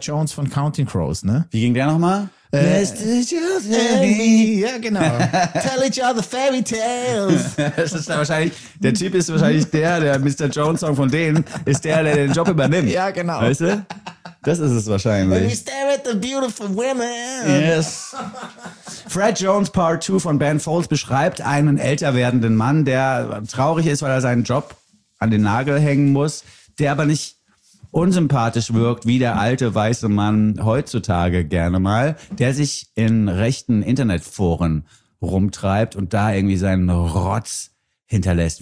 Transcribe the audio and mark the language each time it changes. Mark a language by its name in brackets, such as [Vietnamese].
[German] Jones von Counting Crows, ne? Wie ging der nochmal? [English] Mr. Jones, [German] ja genau. [English] Tell each other fairy tales. [German] Das ist wahrscheinlich, der Typ ist wahrscheinlich der Mr. Jones Song von denen, ist der den Job übernimmt. Ja, genau. Weißt du? Das ist es wahrscheinlich. [English] When you stare at the beautiful women. Yes. [German] Fred Jones Part 2 von Ben Folds beschreibt einen älter werdenden Mann, der traurig ist, weil er seinen Job an den Nagel hängen muss, der aber nicht unsympathisch wirkt, wie der alte weiße Mann heutzutage gerne mal, der sich in rechten Internetforen rumtreibt und da irgendwie seinen Rotz hinterlässt.